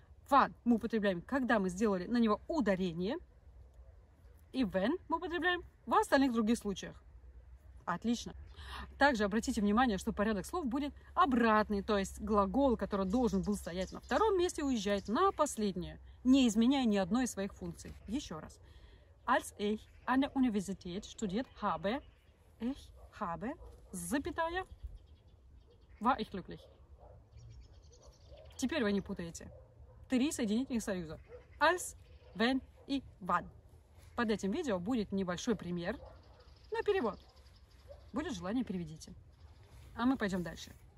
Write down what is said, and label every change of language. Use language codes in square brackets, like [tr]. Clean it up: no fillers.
[ru] Wann мы употребляем, когда мы сделали на него ударение. И wenn мы употребляем в остальных других случаях. Отлично. Также обратите внимание, что порядок слов будет обратный, то есть глагол, который должен был стоять на втором месте, уезжает на последнее, не изменяя ни одной из своих функций. Еще раз. [de] Als ich an der Universität studiert habe, ich habe, [ru] запятая, [de] war ich glücklich. [ru] Теперь вы не путаете. Три соединительных союза. [de] Als, wenn и wann. [ru] Под этим видео будет небольшой пример на перевод. Будет желание, переведите. А мы пойдем дальше.